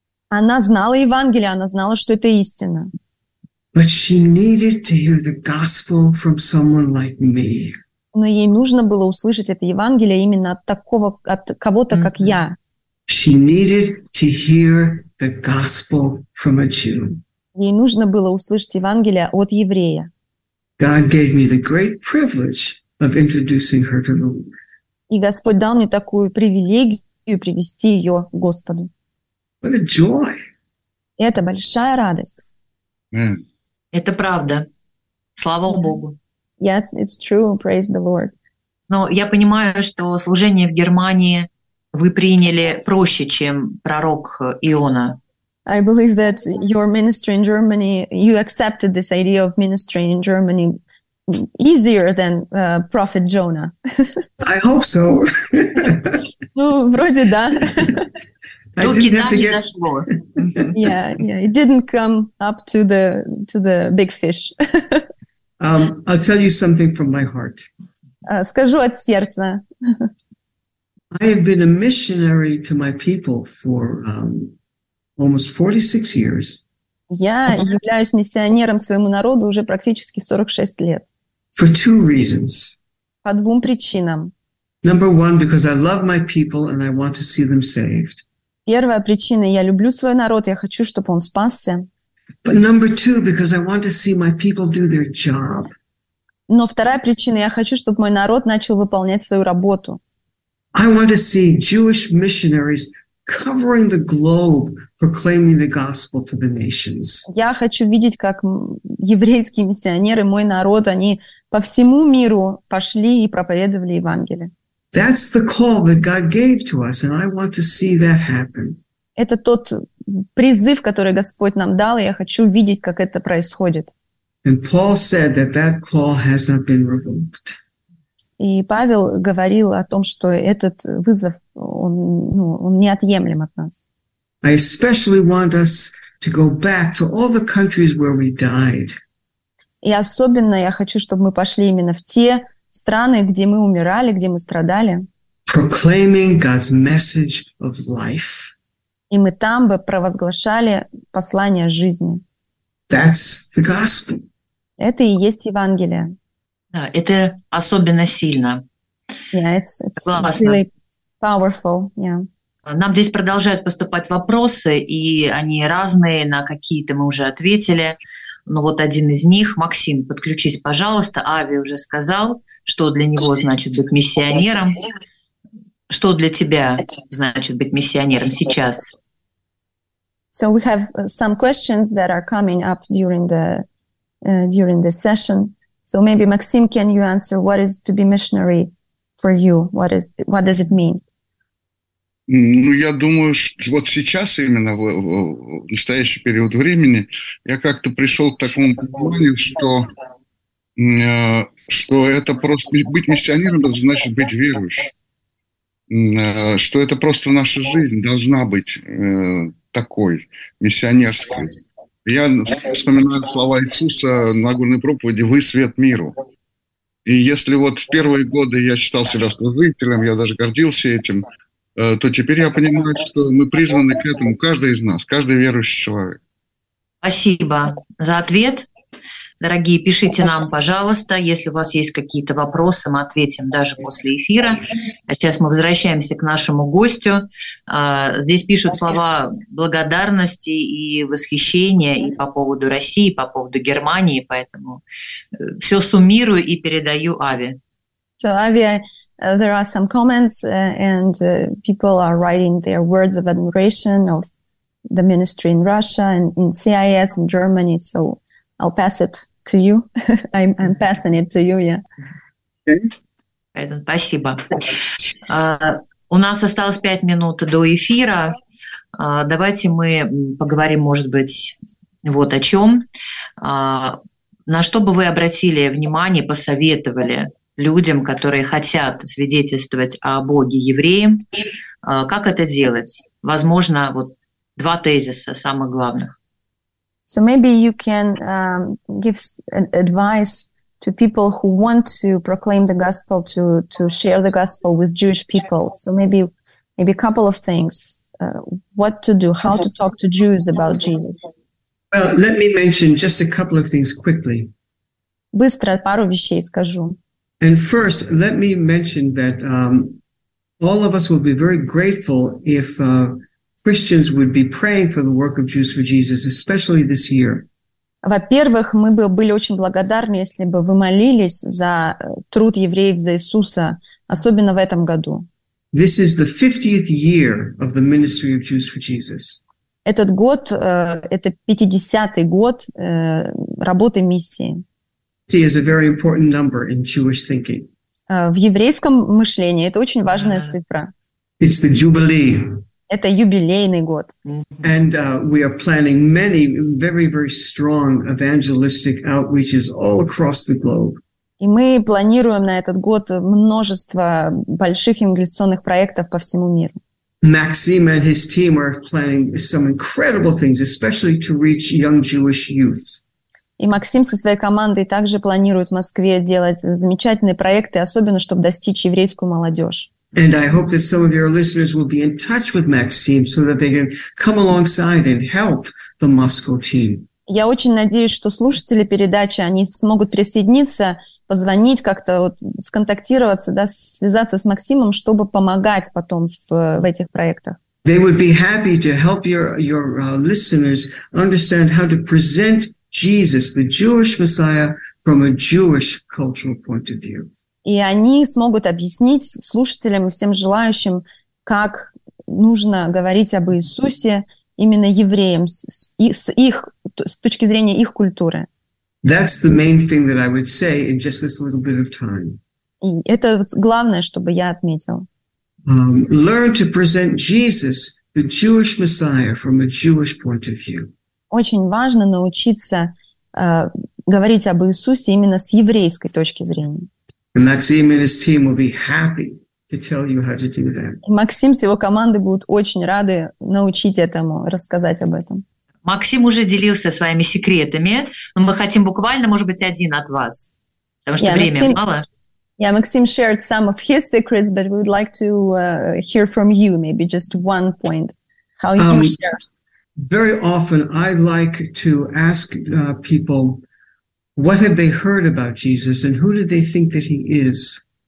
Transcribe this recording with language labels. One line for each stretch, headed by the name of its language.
Russian: Она знала Евангелие, она знала, что это истина.
English: But she needed to hear the gospel from someone like me.
Russian: Но ей нужно было услышать это Евангелие именно от такого, от кого-то, mm-hmm. как я.
English: She needed to hear the gospel from a Jew.
Russian: Ей нужно было услышать Евангелие от еврея.
English: God gave me the great privilege of introducing her to the Lord.
Russian: И Господь дал мне такую привилегию привести ее к Господу.
English: What a joy!
Russian: Это большая радость. Mm. Это правда. Слава Богу.
English: Yes, it's true. Praise the Lord.
Russian: Но я понимаю, что служение в Германии вы приняли проще, чем пророк Иона.
English: I believe that your ministry in Germany, you accepted this idea of ministry in Germany easier than prophet Jonah. I hope so.
Russian: Ну, вроде да. До Китая не дошло.
English: Yeah, yeah, it didn't come up to the big fish. I'll tell you something from my heart.
Russian: Скажу от сердца.
English: I have been a missionary to my people for almost 46 years.
Russian: Я являюсь миссионером своему народу уже практически 46 лет.
English: For two reasons.
Russian: По двум причинам.
English: Number one, because I love my people and I want to see them saved.
Russian: Первая причина — я люблю свой народ, я хочу, чтобы он спасся.
English: But number two, because I want to see my people do their job.
Russian: Но вторая причина — я хочу, чтобы мой народ начал выполнять свою работу.
English: I want to see Jewish missionaries covering the globe, proclaiming the gospel to the nations.
Russian: Я хочу видеть, как еврейские миссионеры, мой народ, они по всему миру пошли и проповедовали Евангелие.
English: That's the call that God gave to us, and I want to see that happen.
Russian: Это тот призыв, который Господь нам дал, и я хочу видеть, как это происходит.
English: And Paul said that that call has not been revoked.
Russian: И Павел говорил о том, что этот вызов, он, ну, он неотъемлем от нас.
English: I especially want us to go back to all the countries where we died.
Russian: И особенно я хочу, чтобы мы пошли именно в те страны, где мы умирали, где мы страдали.
English: Proclaiming God's message of life.
Russian: И мы там бы провозглашали послание жизни.
English: That's the gospel.
Russian: Это и есть Евангелие. Да, это особенно сильно.
English: Yeah, it's really powerful. Yeah.
Russian: Нам здесь продолжают поступать вопросы, и они разные, на какие-то мы уже ответили. Но вот один из них, Максим, подключись, пожалуйста. Ави уже сказал, что для него значит быть миссионером. Что для тебя значит быть миссионером сейчас?
English: So we have some questions that are coming up during the session. So maybe Maxim, can you answer what is to be missionary for you? What does it mean?
Russian: Ну, я думаю, что вот сейчас именно в настоящий период времени я как-то пришел к такому пониманию, что это просто быть миссионером, это значит быть верующим, что это просто наша жизнь должна быть такой миссионерской. Я вспоминаю слова Иисуса на Нагорной проповеди «Вы свет миру». И если вот в первые годы я считал себя служителем, я даже гордился этим, то теперь я понимаю, что мы призваны к этому, каждый из нас, каждый верующий человек. Спасибо за ответ. Дорогие, пишите нам, пожалуйста, если у вас есть какие-то вопросы, мы ответим даже после эфира. А сейчас мы возвращаемся к нашему гостю. Здесь пишут слова благодарности и восхищения и по поводу России, и по поводу Германии, поэтому все суммирую и передаю Ави.
English: So, Ави, there are some comments, and people are writing their words of admiration of the ministry in Russia and in CIS in Germany, so I'll pass it to you. I'm passing it to you, yeah.
Russian: Okay. Спасибо. У нас осталось 5 минут до эфира. Давайте мы поговорим, может быть, вот о чём. На что бы вы обратили внимание, посоветовали людям, которые хотят свидетельствовать о Боге евреям, как это делать? возможно, вот два тезиса самых главных.
English: So maybe you can give advice to people who want to proclaim the gospel, to share the gospel with Jewish people. So maybe a couple of things. What to do, how to talk to Jews about Jesus. Well, let me mention just a couple of things quickly.
Russian: Быстро пару вещей скажу.
English: And first, let me mention that all of us would be very grateful if Christians would be praying for the work of Jews for Jesus, especially this year.
Russian: Во-первых, мы бы были очень благодарны, если бы вы молились за труд евреев за Иисуса, особенно в этом году.
English: This is the 50th year of the ministry of Jews for Jesus.
Russian: Этот год, это 50-й год работы миссии.
English: 50 is a very important number in Jewish thinking.
Russian: В еврейском мышлении это очень важная цифра.
English: It's the jubilee.
Russian: Это юбилейный год.
English: And we are planning many very, very strong evangelistic outreaches all across the globe.
Russian: И мы планируем на этот год множество больших инвестиционных проектов по всему миру.
English: Maxim and his team are planning some incredible things, especially to reach young Jewish youths.
Russian: И Максим со своей командой также планирует в Москве делать замечательные проекты, особенно чтобы достичь еврейскую молодежь.
English: And I hope that some of your listeners will be in touch with Maxim so that they can come alongside and help the Moscow team.
Russian: Я очень надеюсь, что слушатели передачи, они смогут присоединиться, позвонить, как-то вот сконтактироваться, да, связаться с Максимом, чтобы помогать потом в этих проектах.
English: They would be happy to help your listeners understand how to present Jesus, the Jewish Messiah, from a Jewish cultural point of view.
Russian: И они смогут объяснить слушателям и всем желающим, как нужно говорить об Иисусе именно евреям с точки зрения их культуры.
English: That's the main thing that I would say in just this little bit of time.
Russian: И это главное, чтобы я отметил.
English: Learn to present Jesus, the Jewish Messiah, from a Jewish point of view.
Russian: Очень важно научиться говорить об Иисусе именно с еврейской точки зрения.
English: And Maxim and his team will be happy to tell you how to do that.
Russian: Максим с его командой будут очень рады научить этому, рассказать об этом. Максим уже делился своими секретами, но мы хотим буквально, может быть, один от вас, потому что время мало.
English: Yeah, Maxim shared some of his secrets, but we would like to hear from you, maybe just one point. How you can share? Very often I like to ask people, what have they heard about Jesus and who do they think that he is?